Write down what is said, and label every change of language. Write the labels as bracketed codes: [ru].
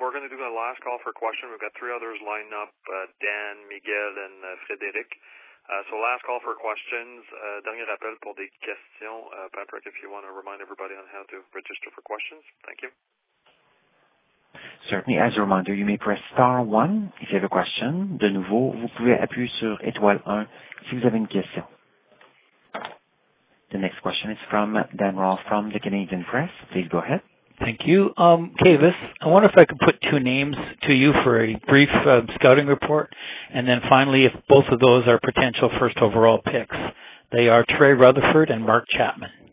[en] We're going to do the last call for a question. We've got three others lined up, Dan, Miguel, and Frédéric. So last call for questions. [fr] Dernier appel pour des questions. [en] Patrick, if you want to remind everybody on how to register for questions. Thank you. Certainly. As a reminder, you may press star 1 if you have a question. [fr] De nouveau, vous pouvez appuyer sur étoile 1 si vous avez une question. [en] The next question is from Dan Rawl from the Canadian Press. Please go ahead. Thank you. Kavis, I wonder if I could put two names to you for a brief scouting report, and then finally if both of those are potential first overall picks. They are Trey Rutherford and Mark Chapman.